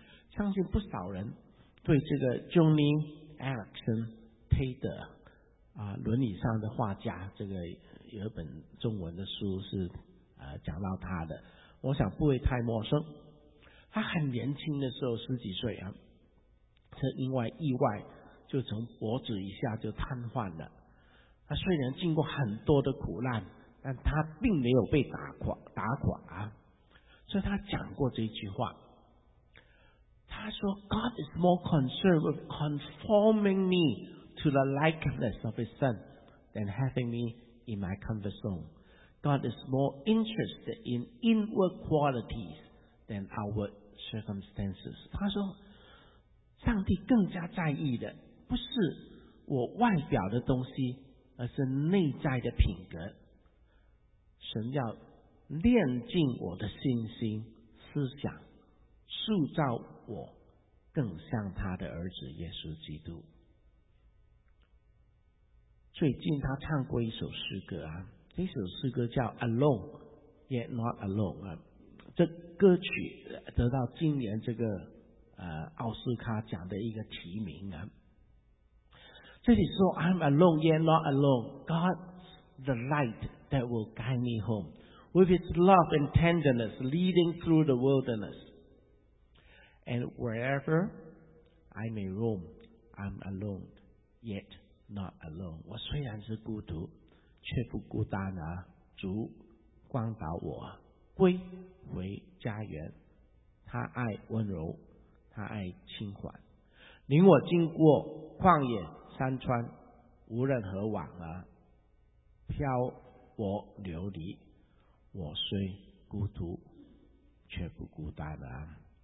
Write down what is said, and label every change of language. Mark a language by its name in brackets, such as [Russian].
[Chinese] 相信不少人对这个 Johnny Erickson Tater 啊，伦理上的画家，这个有一本中文的书是讲到他的，我想不会太陌生。他很年轻的时候10几岁啊，是因为意外就从脖子以下就瘫痪了。他虽然经过很多的苦难，但他并没有被打垮啊。所以他讲过这句话，他说 [English] God is more concerned with conforming me to the likeness of his son than having me in my comfort zone. God is more interested in inward qualities than outward circumstances. [Chinese] 他说，上帝更加在意的不是我外表的东西，而是内在的品格。神要炼尽我的信心、思想，塑造我更像他的儿子耶稣基督。最近他唱过一首诗歌啊，这首诗歌叫 Alone Yet Not Alone 啊，这歌曲得到今年这个奥斯卡奖的一个提名啊。 [English] 这里说 I'm alone yet not alone, God's the light that will guide me home, with His love and tenderness leading through the wilderness. And wherever I may roam, I'm alone yet not alone. [Chinese] 我虽然是孤独，却不孤单啊，主光导我归回家园，他爱温柔，他爱轻缓，领我经过旷野山川，无任何网啊漂泊流离，我虽孤独却不孤单啊。